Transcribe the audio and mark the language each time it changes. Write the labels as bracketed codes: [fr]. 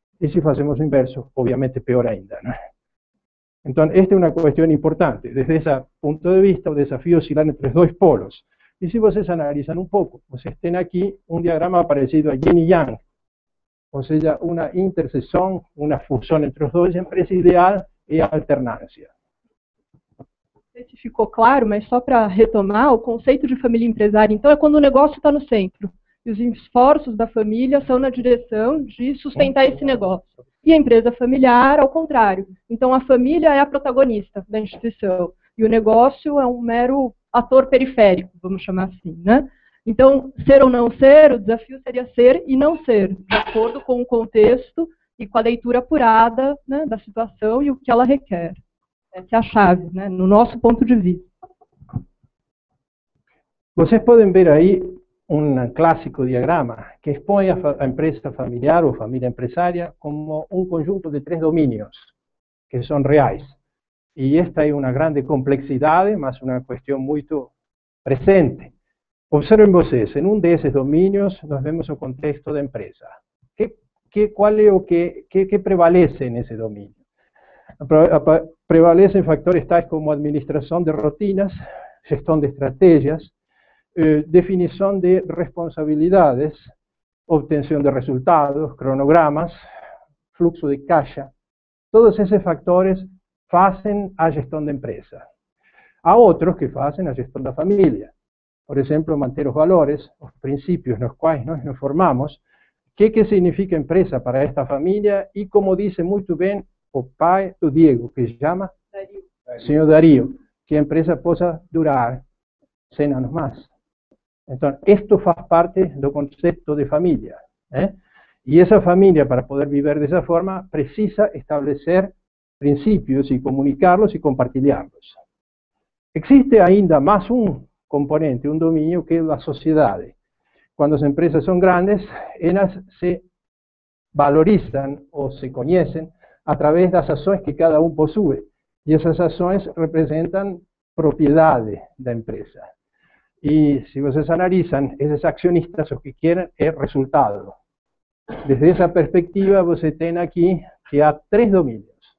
[es] Y si hacemos lo inverso, obviamente peor ainda, ¿no? Entonces, esta es una cuestión importante. Desde ese punto de vista, el desafío oscila entre los dos polos. Y si ustedes analizan un poco, pues estén aquí un diagrama parecido a Yin y Yang, o sea, una intersección, una fusión entre los dos, siempre es ideal y alternancia. [pt] Se ficou claro, mas só para retomar, o conceito de família empresária, então, é quando o negócio está no centro, e os esforços da família são na direção de sustentar esse negócio. E a empresa familiar, ao contrário. Então, a família é a protagonista da instituição, e o negócio é um mero ator periférico, vamos chamar assim, né? Então, ser ou não ser, o desafio seria ser e não ser, de acordo com o contexto e com a leitura apurada, né, da situação e o que ela requer. Essa é a chave, né? No nosso ponto de vista. Vocês podem ver aí um clássico diagrama que expõe a empresa familiar ou família empresária como um conjunto de três domínios que são reais. E esta é uma grande complexidade, mas uma questão muito presente. Observem vocês, em um desses domínios nós vemos o contexto da empresa. Qual é o que prevalece nesse domínio? [es] Prevalecen factores tales como administración de rutinas, gestión de estrategias, definición de responsabilidades, obtención de resultados, cronogramas, flujo de caja. Todos esos factores hacen a gestión de empresa. Hay otros que hacen a gestión de la familia. Por ejemplo, mantener los valores, los principios en los cuales nos formamos. ¿Qué significa empresa para esta familia? Y como dice muy bien, [pt] o pai do Diego, que se chama? [es] Darío. [pt] Senhor Darío. Que a empresa possa durar 100 anos mais. Então, isto faz parte do conceito de família. E essa família, para poder viver dessa forma, precisa estabelecer princípios e comunicá-los e compartilhá-los. Existe ainda mais um componente, um domínio, que é a sociedade. Quando as empresas são grandes, elas se [es] valorizan o se conocen a través de las acciones que cada uno posee. Y esas acciones representan propiedades de la empresa. Y si ustedes analizan, esos accionistas lo que quieren es resultado. Desde esa perspectiva, ustedes tienen aquí que hay tres dominios.